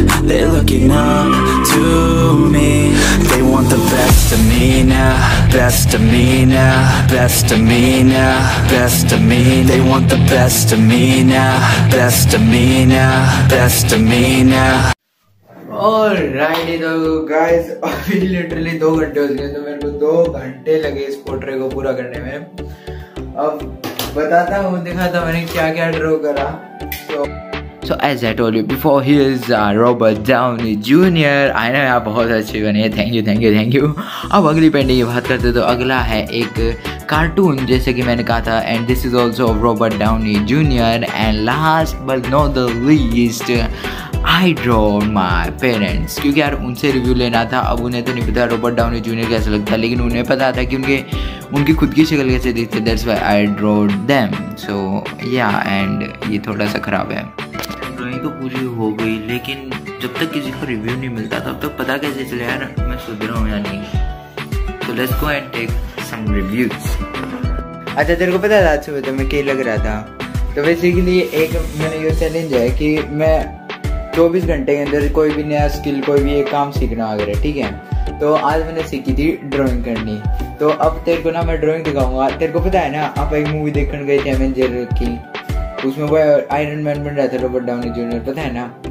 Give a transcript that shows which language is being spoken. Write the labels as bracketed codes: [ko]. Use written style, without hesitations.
[en] They're looking up to me. They want the best of me now, best of me now, best of me now, best of me. They want the best of me now, best of me now, best of me now. [hi] Alrighty, तो guys, अभी literally 2 घंटे हो चुके हैं, तो मेरे को 2 घंटे लगे इस पोर्ट्रे को पूरा करने में. अब बताता हूँ, दिखाता हूँ मैंने क्या क्या ड्रॉ करा. [en] So as I told you before, he is Robert Downey Jr. I know [hi] यार बहुत अच्छे बने. [en] Thank you. [hi] अब अगली पेंटिंग की बात करते हैं तो अगला है एक कार्टून जैसे कि मैंने कहा था. [en] And this is also Robert Downey Jr. And last but not the least, I draw my parents. [hi] क्योंकि यार उनसे रिव्यू लेना था. अब उन्हें तो नहीं पता रॉबर्ट डाउनी जूनियर कैसा लगता, लेकिन उन्हें पता था कि उनके उनकी खुद की शक्ल कैसे दिखते. [en] That's why I draw them. So yeah, and [hi] ये थोड़ा सा खराब है. ड्राइंग तो पूरी हो गई लेकिन जब तक किसी को रिव्यू नहीं मिलता तब तक पता कैसे चले यार मैं सुधरा हूँ या नहीं. [en] So let's go and take some reviews. [hi] अच्छा तेरे को पता था सुबह तुम्हें क्या लग रहा था. तो बेसिकली एक मैंने ये चैलेंज है कि मैं 24 घंटे के अंदर कोई भी नया स्किल, कोई भी एक काम सीखना वगैरह, ठीक है. तो आज मैंने सीखी थी ड्राइंग करनी. तो अब तेरे को ना मैं ड्राइंग दिखाऊंगा. तेरे को पता है ना आप एक मूवी देखने गए थे एवेंजर की, उसमें वो आयरन मैन बन रहा था रॉबर्ट डाउनी जूनियर, पता है ना.